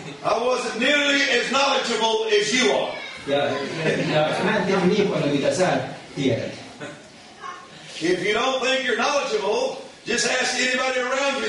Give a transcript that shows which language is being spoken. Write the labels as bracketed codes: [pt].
[en] I wasn't nearly as knowledgeable as you are. [fi] Ja mä en tiedä niin paljon mitä sä tiedät. [en] If you don't think you're knowledgeable, just ask anybody around you.